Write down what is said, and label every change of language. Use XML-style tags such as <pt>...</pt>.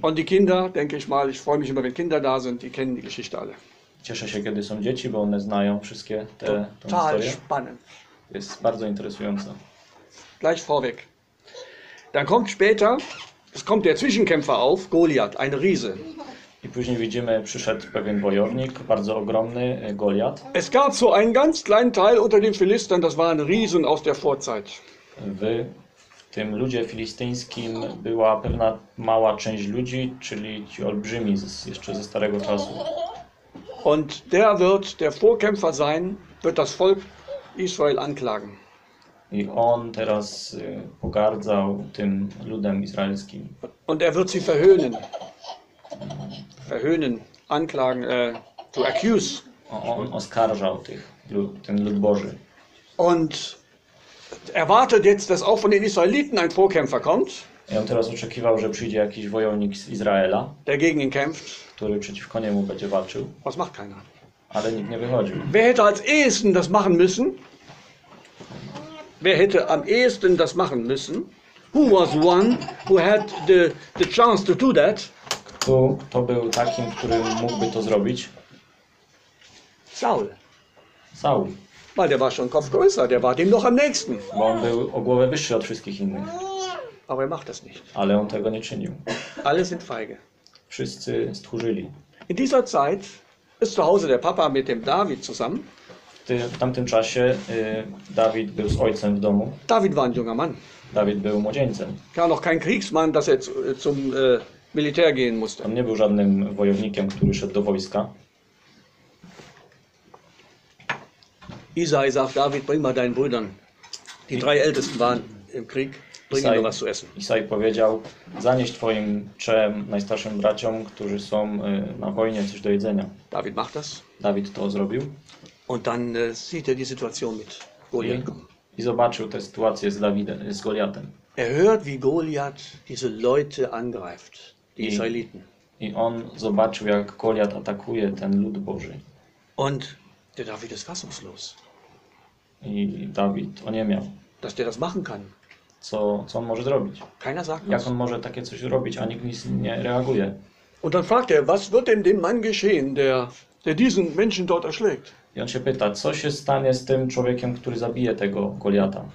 <de>Und die Kinder, denke ich mal, ich freue mich immer, wenn Kinder da sind, die kennen die Geschichte alle.</de> <pl>Cieszę się, kiedy są dzieci, bo one znają wszystkie te historie.</pl> <de>Total spannend.</de> <pl>Jest bardzo interesujące.</pl> <de>Gleich vorweg. Dann kommt später, es kommt der Zwischenkämpfer auf, Goliath, ein Riese.</de> <pl>I później widzimy, przyszedł pewien bojownik, bardzo ogromny, Goliath.</pl> <de>Es gab so einen ganz kleinen Teil unter den Philistern, das waren Riesen aus der Vorzeit.</de> <pl>W tym ludzie filistyńskim była pewna mała część ludzi, czyli ci olbrzymi jeszcze ze starego czasu.</pl> <de>Und der wird der Vorkämpfer sein, wird das Volk Israel anklagen.</de> <pl>I on teraz pogardzał tym ludem izraelskim.</pl> <de>Und wird sie verhöhnen. Verhöhnen, anklagen,</de> <en>to accuse.</en> <pl>On oskarżał tych, ten lud Boży.</pl> <de>Und erwartet jetzt, dass auch von den Israeliten ein Vorkämpfer kommt.</de> <pl>I on teraz oczekiwał, że przyjdzie jakiś wojownik z Izraela,</pl> <de>der gegen ihn kämpft,</de> <pl>który przeciwko niemu będzie walczył.</pl> <de>Was macht keiner.</de> <pl>Ale nikt nie wychodził.</pl> <de>Wer hätte als ehesten das machen müssen? Wer hätte am ehesten das machen müssen?</de> <en>Who was one who had the chance to do that?</en> <pl>Kto był takim, który mógłby to zrobić?</pl> <de>Saul.</de> <pl>Saul.</pl> <de>Weil der war schon Kopf größer, der war dem noch am nächsten.</de> <pl>Bo on był o głowę wyższy od wszystkich innych.</pl> <de>Aber er macht das nicht.</de> <pl>Ale on tego nie czynił.</pl> <de>Alle sind feige.</de> <pl>Wszyscy stchórzyli.</pl> <de>In dieser Zeit ist zu Hause der Papa mit dem David zusammen.</de> <pl>W tamtym czasie David był z ojcem w domu.</pl> <de>David war ein junger Mann.</de> <pl>David był młodzieńcem.</pl> <de>Er war noch kein Kriegsmann, dass er zum Militär gehen musste.</de> <pl>On nie był żadnym wojownikiem, który szedł do wojska.</pl> <de>Isai sagt David, bring mal deinen Brüdern. Die drei Ältesten waren im Krieg.</de> <pl>Isai powiedział, zanieś twoim trzem najstarszym braciom, którzy są na wojnie, coś do jedzenia.</pl> <de>David macht das.</de> <pl>David to zrobił.</pl> <de>Und dann sieht er die Situation mit Goliath.</de> <pl>I zobaczył tę sytuację z Dawidem, z Goliatem.</pl> <de>Er hört, wie Goliath diese Leute angreift, die Israeliten.</de> <pl>I on zobaczył, jak Goliath atakuje ten lud Boży.</pl> <de>Und der David ist fassungslos.</de> <pl>I David oniemiał.</pl> <de>Dass der das machen kann.</de> <pl>Co on może zrobić?</pl> <de>Keiner sagt,</de> <pl>jak on może takie coś robić, a nikt nic nie reaguje?</pl> <de>Und dann fragt er, was wird denn dem Mann geschehen, der diesen Menschen dort erschlägt?</de> <pl>I on się pyta, co się stanie z tym człowiekiem, który zabije tego Goliata?</pl>